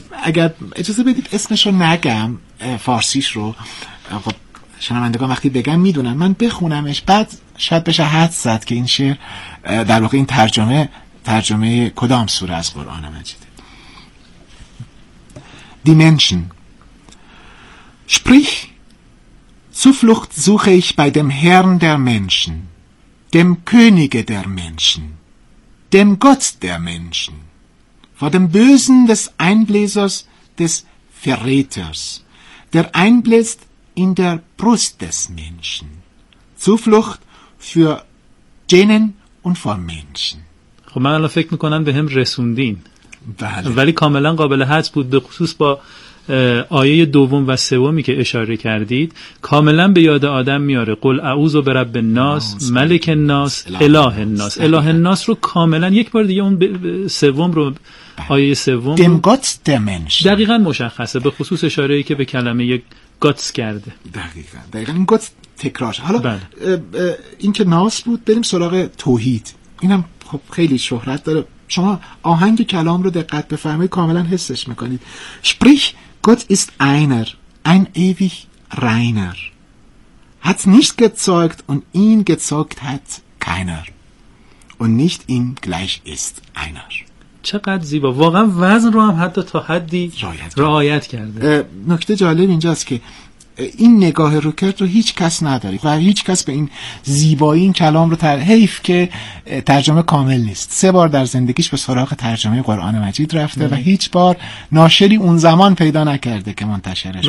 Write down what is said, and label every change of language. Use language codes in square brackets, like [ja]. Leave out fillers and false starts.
[fa] اگر اجازه بدید اسمش رو نگم، فارسیش رو، خب شنوندگان وقتی بگم میدونن، من بخونمش بعد شاید بشه حد زد که این شعر در واقع این ترجمه ترجمه کدام سوره از قرآن مجیده. Dimension. [de] Sprich, Zuflucht suche ich bei dem Herrn der Menschen, dem Könige der Menschen, dem Gott der Menschen, vor dem Bösen des Einbläsers, des Verräters, der einbläst in der Brust des Menschen. Zuflucht für Genen und vor Menschen. [fa] خب من الان فکر میکنم به هم رسوندین. بله. ولی کاملا قابل حدس بود، به خصوص با آیه دوم و سومی که اشاره کردید، کاملا به یاد آدم میاره. [ar] قل اعوذ برب الناس، ملک الناس، اله الناس. [fa] اله الناس رو کاملا یک بار دیگه، اون سوم رو، آیه سوم دم گات دمنش دقیقاً مشخصه، به خصوص اشاره ای که به کلمه گاتس کرده. دقیقاً گات تکرارش. حالا بله. این که ناس بود، بریم سراغ توحید. اینم خب خیلی شهرت داره. شما آهنگ کلام رو دقت بفرمایید کاملا حسش میکنید. [de] Sprich, Gott ist einer, ein ewig reiner. Hat nicht gezeugt und ihn gezeugt hat keiner. Und nicht ihm gleich ist einer. [fa] چقدر زیبا. واقعا وزن رو هم حتی تا حدی رعایت کرده. نکته جالب اینجاست که این نگاه روکرت رو هیچ کس نداره و هیچ کس به این زیبایی این کلام رو حیف که ترجمه کامل نیست. سه بار در زندگیش به سراغ ترجمه قرآن مجید رفته و هیچ بار ناشری اون زمان پیدا نکرده که منتشرش